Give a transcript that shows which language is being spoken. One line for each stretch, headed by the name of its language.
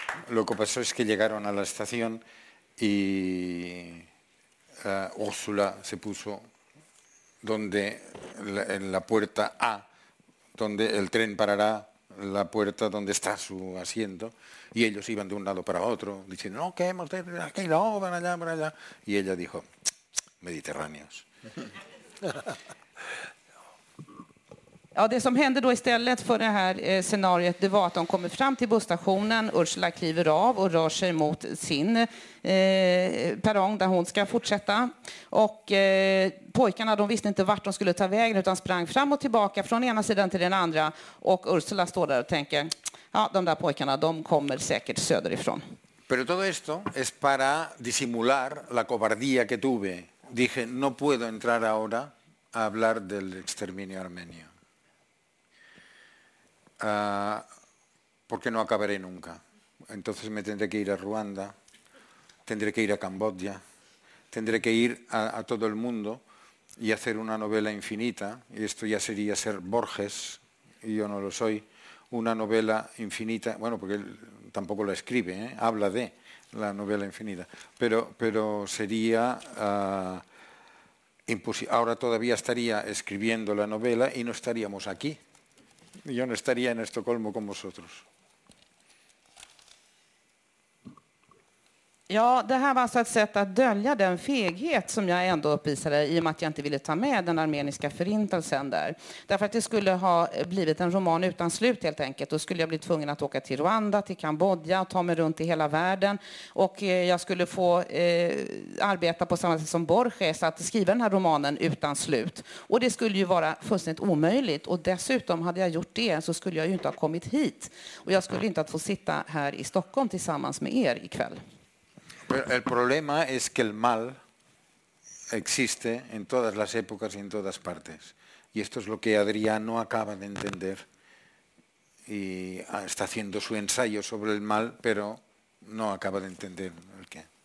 Spanish: Lo que pasó es que llegaron a la estación y Úrsula se puso donde en la puerta A, donde el tren parará, la puerta donde está su asiento, y ellos iban de un lado para otro, diciendo, no, que hemos de aquí, no, van allá, van allá. Y ella dijo, Mediterráneos.
Swedish: Ja, det som hände då istället för det här scenariet, det var att de kommer fram till busstationen, Úrsula kliver av och rör sig mot sin perrong där hon ska fortsätta. Och pojkarna, de visste inte vart de skulle ta vägen, utan sprang fram och tillbaka från ena sidan till den andra. Och Úrsula står där och tänker, ja, de där pojkarna, de kommer säkert söderifrån.
Spanish: Pero todo esto es para disimular la cobardía que tuve. Dije, no puedo entrar ahora a hablar del exterminio armenio. Porque no acabaré nunca. Entonces me tendré que ir a Ruanda, tendré que ir a Camboya, tendré que ir a todo el mundo y hacer una novela infinita, y esto ya sería ser Borges, y yo no lo soy, una novela infinita, bueno, porque él tampoco la escribe, ¿eh? Habla de la novela infinita, pero sería imposible. Ahora todavía estaría escribiendo la novela y no estaríamos aquí.
Swedish: Jag skulle inte vara i Stockholm med er. Ja, det här var alltså ett sätt att dölja den feghet som jag ändå uppvisade, i och med att jag inte ville ta med den armeniska förintelsen där. Därför att det skulle ha blivit en roman utan slut helt enkelt. Då skulle jag bli tvungen att åka till Rwanda, till Kambodja och ta mig runt i hela världen. Och jag skulle få arbeta på samma sätt som Borges, att skriva den här romanen utan slut. Och det skulle ju vara fullständigt omöjligt. Och dessutom, hade jag gjort det, så skulle jag ju inte ha kommit hit. Och jag skulle inte ha fått sitta här i Stockholm tillsammans med er ikväll.
Spanish: Pero el problema es que el mal existe en todas las épocas y en todas partes. Y esto es lo que Adrià no acaba de entender. Y está haciendo su ensayo sobre el mal, pero no acaba de entender el qué.